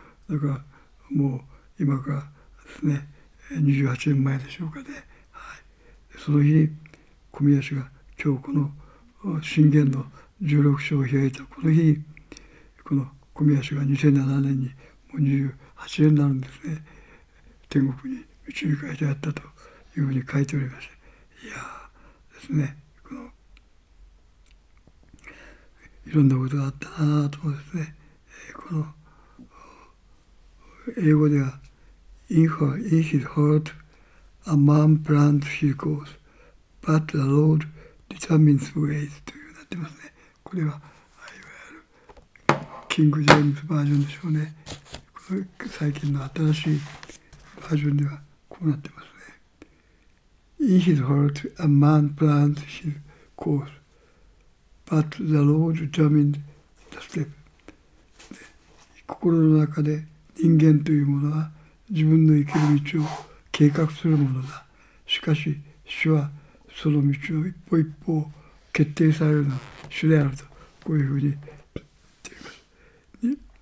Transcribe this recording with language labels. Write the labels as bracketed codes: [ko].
[ja] だからもう今からですね28年前でしょうかね、はい、その日に小宮氏が今日この信玄の16章を開いたこの日に、この小宮氏が2007年にもう28年になるんですね、天国に導かれてあったというふうに書いておりまして、いやーですね、このいろんなことがあったなと思うんですね。この英語では [en] In his heart a man plans his course but the Lord determines ways [ja] というなってますね。これはいわゆるキングジェームズバージョンでしょうね。これ最近の新しいバージョンではこうなってますね。 [en] In his heart a man plans his course but the Lord determines the step。 [ja] 心の中で人間というものは自分の生きる道を計画するものだ。しかし主はその道を一歩一歩決定されるのは主であると、こういうふうに言っています。